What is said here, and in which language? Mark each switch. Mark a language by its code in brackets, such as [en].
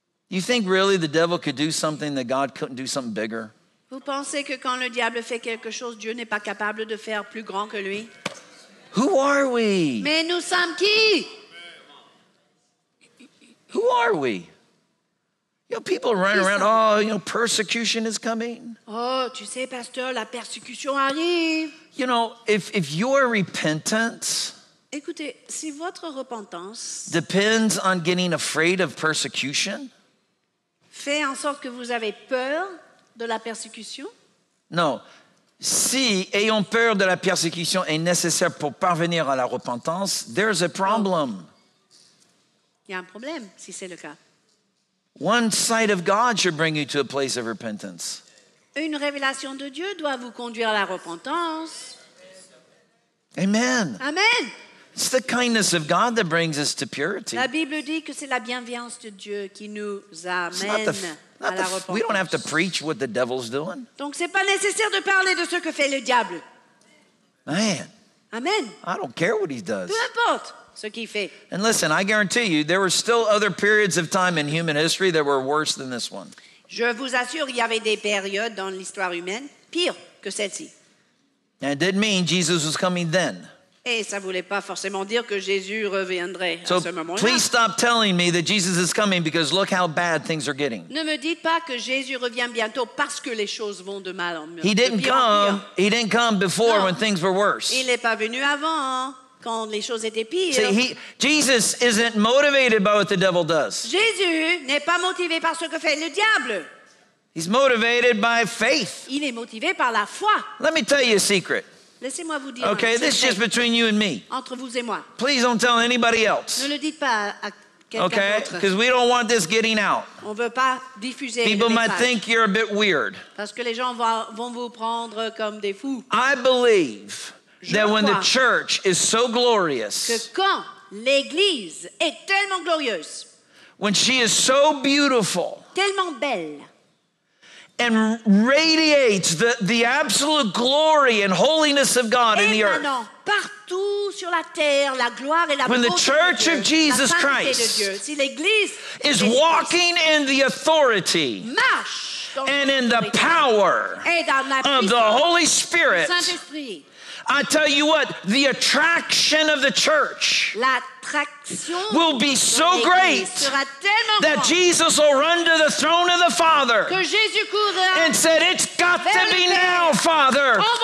[en] You think really the devil could do something that God couldn't do something bigger? [fr] Vous pensez que quand le diable fait quelque chose, Dieu n'est pas capable de faire plus grand que lui? [en] Who are we? [fr] Mais nous sommes qui? [en] Who are we? You know, people run around, oh, you know, persecution is coming. [fr] Oh, tu sais, pasteur, la persécution arrive. [en] You know, if your repentance [fr] Écoutez, si votre repentance [en] depends on getting afraid of persecution, [fr] fait en sorte que vous avez peur de la persécution? Non. Si ayant peur de la persécution est nécessaire pour parvenir à la repentance, [en] there's a problem. [fr] Il y a un problème, si c'est le cas. [en] One sight of God should bring you to a place of repentance. [fr] Une révélation de Dieu doit vous conduire à la repentance. Amen. Amen. [en] It's the kindness of God that brings us to purity. [fr] La Bible dit que c'est la bienveillance de Dieu qui nous amène. [en] We don't have to preach what the devil's doing. [fr] Donc c'est pas nécessaire de parler de ce que fait le diable. [en] Man. Amen. I don't care what he does. [fr] Peu importe ce qu'il fait. [en] And listen, I guarantee you there were still other periods of time in human history that were worse than this one. [fr] Je vous assure, il y avait des périodes dans l'histoire humaine pires que celle-ci. [en] And it didn't mean Jesus was coming then. [fr] Et ça voulait pas forcément dire que Jésus reviendrait [en] so [fr] à ce moment-là. [en] Please stop telling me that Jesus is coming because look how bad things are getting. [fr] Ne me dites pas que Jésus revient bientôt parce que les choses vont de mal en mieux. [en] He didn't come before when things were worse. [fr] Il n'est pas venu avant quand les choses étaient pires. [en] See, Jesus isn't motivated by what the devil does. [fr] Jésus n'est pas motivé par ce que fait le diable. [en] He's motivated by faith. [fr] Il est motivé par la foi. [en] Let me tell you a secret. [fr] Laissez-moi vous dire. [en] Okay, this is just between you and me. [fr] Entre vous et moi. [en] Please don't tell anybody else. [fr] Ne le dites pas à quelqu'un d'autre. [en] Okay, because we don't want this getting out. [fr] On veut pas diffuser le message. [en] People might think you're a bit weird. [fr] Parce que les gens vont vous prendre comme des fous. [en] I believe that when the church is so glorious. [fr] Que quand l'église est tellement glorieuse. [en] When she is so beautiful. [fr] Tellement belle. [en] And radiates the absolute glory and holiness of God in the earth. [fr] Partout sur la terre, la gloire et la [en] when the church [fr] Dieu, [en] of Jesus Christ [fr] si l'église, [en] is walking in the authority and in the power of the Holy Spirit, I tell you what, the attraction of the church will be so great that Jesus will run to the throne of the Father and said, it's got to be now, Father.